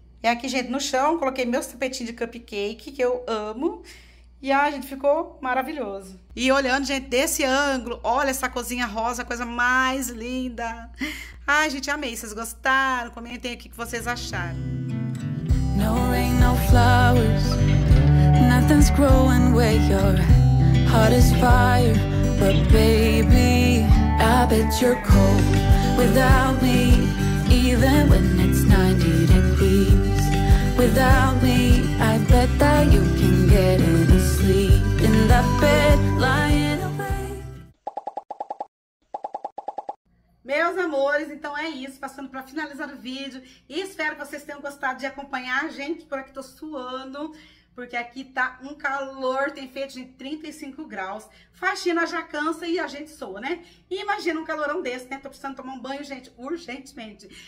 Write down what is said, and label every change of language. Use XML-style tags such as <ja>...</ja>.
<pt>E aqui, gente, no chão, coloquei meus tapetinhos de cupcake, que eu amo. E, ah, gente, ficou maravilhoso. E olhando, gente, desse ângulo, olha essa cozinha rosa, coisa mais linda. Ai, gente, amei. Vocês gostaram? Comentem aqui o que vocês acharam.</pt> <en>No rain, no flowers. Nothing's growing where your heart is fire. But, baby, I bet you're cold without me. Even when it's 90 degrees without me, I bet that you can get any sleep in the bed lying away.</en> <pt>Meus amores, então é isso, passando para finalizar o vídeo. E espero que vocês tenham gostado de acompanhar a gente, por aqui tô suando. porque aqui tá um calor, tem feito de 35 graus. Faxina já cansa e a gente soa, né? Imagina um calorão desse, né? Tô precisando tomar um banho, gente, urgentemente.</pt>